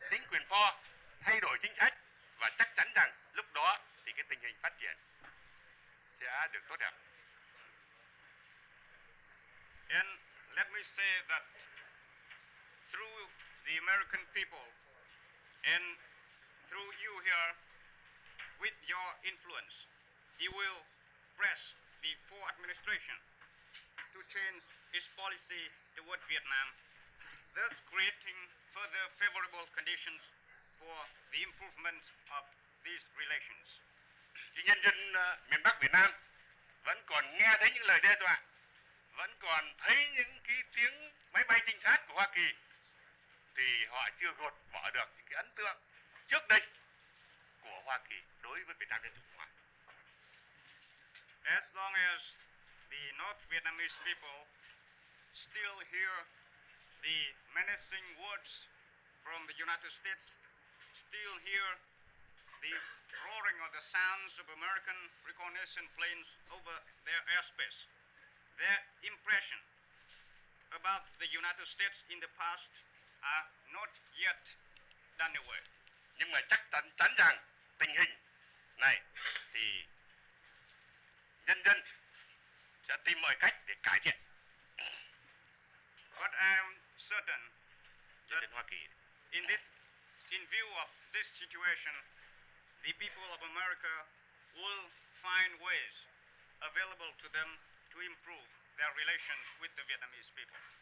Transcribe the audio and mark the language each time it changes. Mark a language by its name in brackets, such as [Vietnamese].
[Vietnamese] quyền pho, thay đổi chính sách, và chắc chắn rằng lúc đó thì cái tình hình phát triển sẽ được tốt đẹp. [English] And let me say that through the American people and through you here, with your influence, you will press the Ford administration to change its policy toward Vietnam, thus creating further favorable conditions for the improvement of these relations. [Vietnamese] Chính nhân dân miền Bắc Việt Nam vẫn còn nghe thấy những lời đe dọa, vẫn còn thấy những cái tiếng máy bay trinh sát của Hoa Kỳ, thì họ chưa gột bỏ được những cái ấn tượng trước đây của Hoa Kỳ đối với Việt Nam Dân Chủ Cộng Hòa. [English] As long as the North Vietnamese people still hear the menacing words from the United States, still hear the roaring of the sounds of American reconnaissance planes over their airspace, their impression about the United States in the past are not yet done away. [Vietnamese] Nhưng mà chắc chắn rằng tình hình này thì nhân dân sẽ tìm mọi cách để cải thiện. [English] But I am certain that [Vietnamese] Hoa Kỳ, [English] in view of this situation, the people of America will find ways available to them to improve their relation with the Vietnamese people.